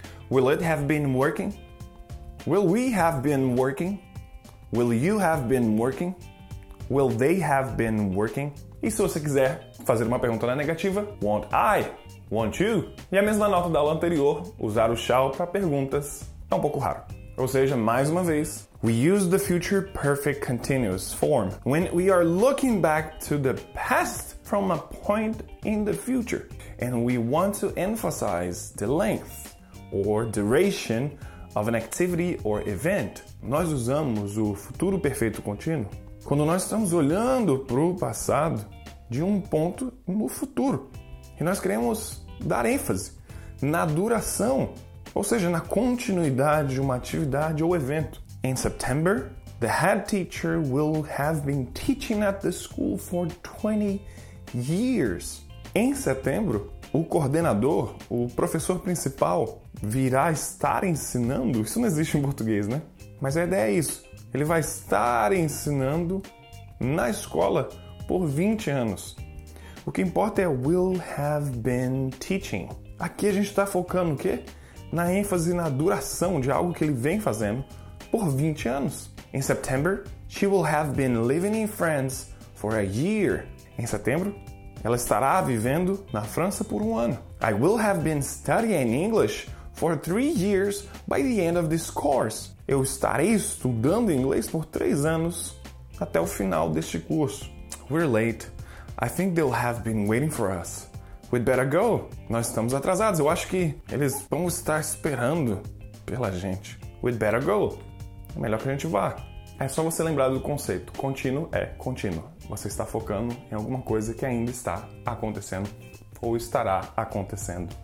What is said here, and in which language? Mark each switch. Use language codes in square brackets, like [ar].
[en] Will it have been working? Will we have been working? Will you have been working? Will they have been working? [pt] E se você quiser fazer uma pergunta na negativa, [en] won't I? Won't you? [pt] E a mesma nota da aula anterior, usar o shall para perguntas é um pouco raro. Ou seja, mais uma vez, [en] we use the future perfect continuous form when we are looking back to the past from a point in the future and we want to emphasize the length or duration of an activity or event. [pt] Nós usamos o futuro perfeito contínuo quando nós estamos olhando para o passado de um ponto no futuro. E nós queremos dar ênfase na duração, ou seja, na continuidade de uma atividade ou evento. [en] In September, the head teacher will have been teaching at the school for 20 years. [pt] Em setembro, o coordenador, o professor principal, virá estar ensinando. Isso não existe em português, né? Mas a ideia é isso. Ele vai estar ensinando na escola por 20 anos. O que importa é [en] will have been teaching. [pt] Aqui a gente está focando o quê? Na ênfase na duração de algo que ele vem fazendo por 20 anos. [en] In September, she will have been living in France for a year. [pt] Em setembro, ela estará vivendo na França por um ano. [en] I will have been studying English for 3 years by the end of this course. [pt] Eu estarei estudando inglês por 3 anos até o final deste curso. [en] We're late. I think they'll have been waiting for us. We'd better go. [pt] Nós estamos atrasados. Eu acho que eles vão estar esperando pela gente. [en] We'd better go. [pt] É melhor que a gente vá. É só você lembrar do conceito. Contínuo é contínuo. Você está focando em alguma coisa que ainda está acontecendo ou estará acontecendo.